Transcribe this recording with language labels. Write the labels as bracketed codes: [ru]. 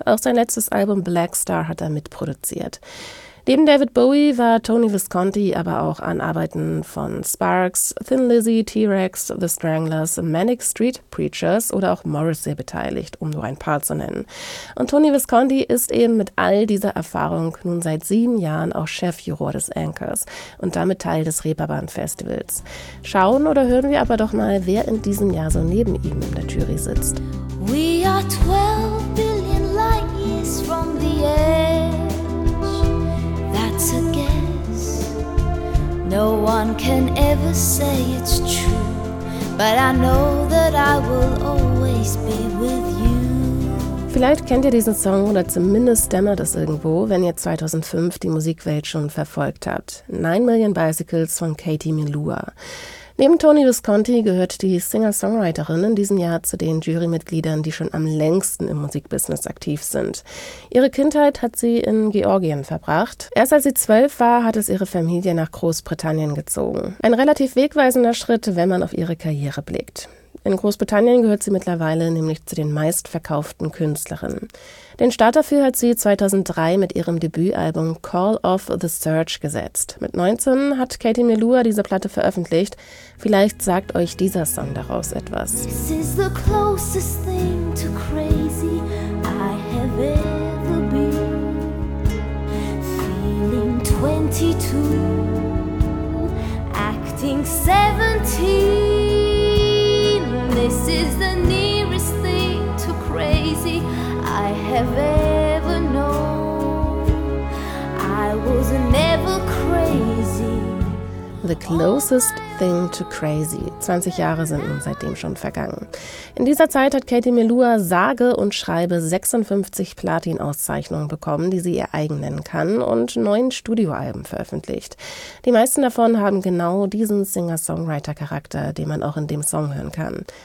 [de] Auch sein letztes Album Black Star hat er mitproduziert. Neben David Bowie war Tony Visconti aber auch an Arbeiten von Sparks, Thin Lizzy, T-Rex, The Stranglers, Manic Street Preachers oder auch Morrissey beteiligt, um nur ein paar zu nennen. Und Tony Visconti ist eben mit all dieser Erfahrung nun seit 7 Jahren auch Chefjuror des Anchors und damit Teil des Reeperbahn-Festivals. Schauen oder hören wir aber doch mal, wer in diesem Jahr so neben ihm in der Jury sitzt. [en] We are 12 billion light years from the edge. It's a guess. No one can ever say it's true, but I know that I will always be with you. [de] Vielleicht kennt ihr diesen Song oder zumindest dämmert es irgendwo, wenn ihr 2005 die Musikwelt schon verfolgt habt. 9 Million Bicycles von Katie Melua. Neben Tony Visconti gehört die Singer-Songwriterin in diesem Jahr zu den Jurymitgliedern, die schon am längsten im Musikbusiness aktiv sind. Ihre Kindheit hat sie in Georgien verbracht. Erst als sie 12 war, hat es ihre Familie nach Großbritannien gezogen. Ein relativ wegweisender Schritt, wenn man auf ihre Karriere blickt. In Großbritannien gehört sie mittlerweile nämlich zu den meistverkauften Künstlerinnen. Den Start dafür hat sie 2003 mit ihrem Debütalbum Call of the Search gesetzt. Mit 19 hat Katie Melua diese Platte veröffentlicht. Vielleicht sagt euch dieser Song daraus etwas. [en] This is the closest thing to crazy I have ever been. Feeling 22, acting 17. This is the nearest thing to crazy I have ever known. I was never crazy. The closest thing to crazy. [de] 20 Jahre sind nun seitdem schon vergangen. In dieser Zeit hat Katie Melua sage und schreibe 56 Platin-Auszeichnungen bekommen, die sie ihr eigen nennen kann, und 9 Studioalben veröffentlicht. Die meisten davon haben genau diesen Singer-Songwriter-Charakter, den man auch in dem Song hören kann.